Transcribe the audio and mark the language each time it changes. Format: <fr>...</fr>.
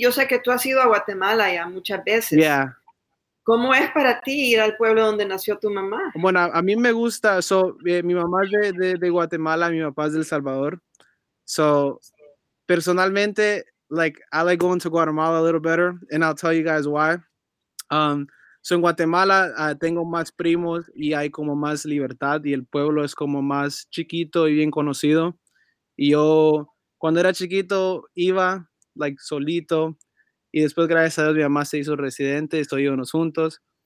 <es>Yo sé que tú has ido a Guatemala ya muchas veces.</es> <en>Yeah.</en> <es>¿Cómo es para ti ir al pueblo donde nació tu mamá? Bueno, a mí me gusta. So mi mamá es de Guatemala, mi papá es de El Salvador.</es> <en>So personalmente, like, I like going to Guatemala a little better, and I'll tell you guys why. So, in Guatemala,</en> <es>tengo más primos, y hay como más libertad, y el pueblo es como más chiquito y bien conocido. Y yo, cuando era chiquito, iba, like, solito, y después, gracias a Dios, mi mamá se hizo residente, estoy íbamos juntos.</es>